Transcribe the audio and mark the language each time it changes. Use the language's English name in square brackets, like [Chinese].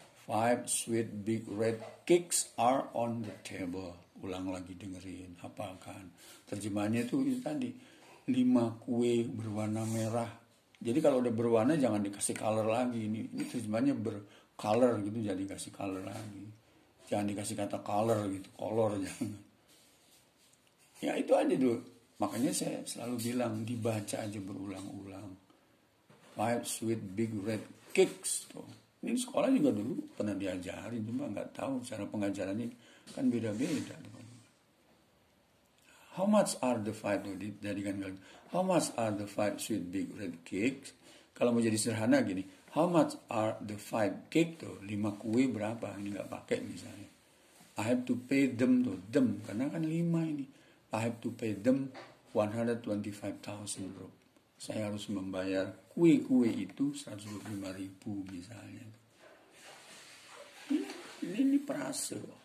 [English] 5 sweet big red cakes are on the table. [Indonesian] Ulang lagi, dengerin, hafalkan. Terjemahannya itu tadi. 5 kue berwarna merah. Jadi kalau udah berwarna jangan dikasih color lagi. Ini terjemahannya ber-color gitu, jadi kasih color lagi. Jangan dikasih kata color gitu, color jangan. Ya itu aja dulu. Makanya saya selalu bilang dibaca aja berulang-ulang. [English] 5 sweet big red cakes tuh. [Indonesian] Ini sekolah juga dulu pernah diajarin, cuma nggak tahu cara pengajarannya kan beda-beda. [English] How much are the 5 tuh? [Indonesian] Jadi kan [English] how much are the 5 sweet big red cakes? [Indonesian] Kalau mau jadi sederhana gini, [English] how much are the 5 cake tuh? [Indonesian] 5 kue berapa? Ini nggak pakai misalnya. [English] I have to pay them [Indonesian] tuh, them karena kan 5 ini. [English] I have to pay them 125,000 rupiah. [Indonesian] Saya harus membayar kue-kue itu 125.000 misalnya. Ini perase.